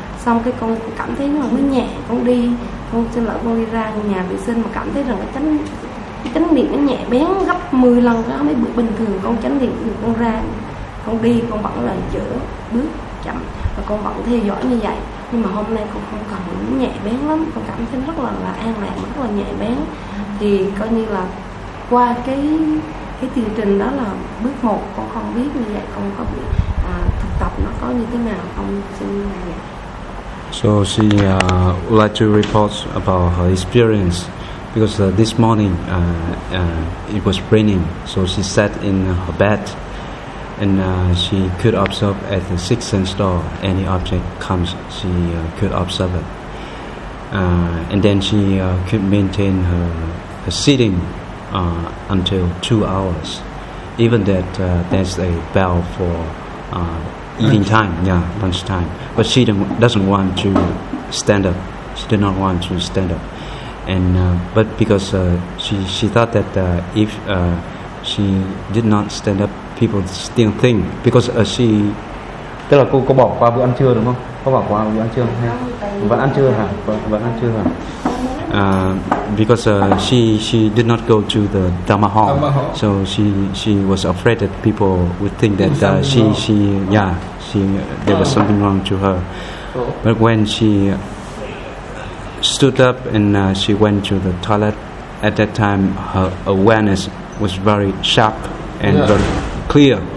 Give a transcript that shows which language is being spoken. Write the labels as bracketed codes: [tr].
[vi] Xong cái con cảm thấy nó mới nhẹ, con đi con xin lỗi con đi ra nhà vệ sinh mà cảm thấy rằng cái chánh niệm nó nhẹ bén gấp 10 lần đó mấy bữa bình thường con chánh niệm được, con ra con đi con vẫn là chở bước chậm và con vẫn theo dõi như vậy. Nhưng mà hôm nay con không cần nó nhẹ bén lắm, con cảm thấy rất là an lạc, rất là nhẹ bén. Thì coi như là qua cái tiến trình đó là bước 1 con không biết như vậy, con có bị thực tập nó có như thế nào không, xin nghe. [en] So she would like to report about her experience, because this morning it was raining, so she sat in her bed and she could observe at the sixth sense door, any object comes, she could observe it. And then she could maintain her sitting until 2 hours, even that there's a bell for eating time, yeah, lunch time. But she doesn't want to stand up. She did not want to stand up. And but because she thought that if she did not stand up, people still think because she. [vi] Tức là cô bỏ qua bữa ăn trưa đúng không? Cô bỏ qua bữa ăn trưa hay vẫn ăn trưa hả? Vẫn ăn trưa hả? [en] Because she did not go to the Dharma hall, so she was afraid that people would think that there was something wrong to her. But when she stood up and she went to the toilet, at that time her awareness was very sharp and very clear.